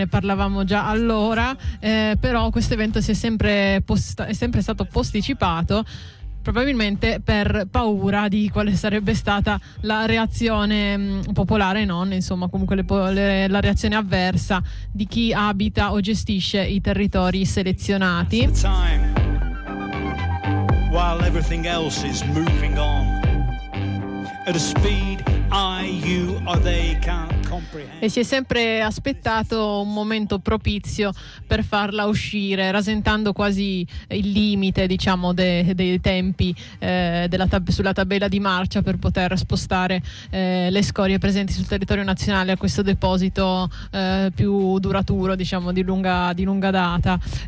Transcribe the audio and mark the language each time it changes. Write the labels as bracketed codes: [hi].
[it] Ne parlavamo già allora, però questo evento è sempre stato posticipato, probabilmente per paura di quale sarebbe stata la reazione popolare, non insomma comunque la reazione avversa di chi abita o gestisce i territori selezionati. [en] While everything else is moving on at a speed you or they can't. [it] E si è sempre aspettato un momento propizio per farla uscire, rasentando quasi il limite, diciamo, dei tempi sulla tabella di marcia per poter spostare le scorie presenti sul territorio nazionale a questo deposito più duraturo, diciamo, di lunga data.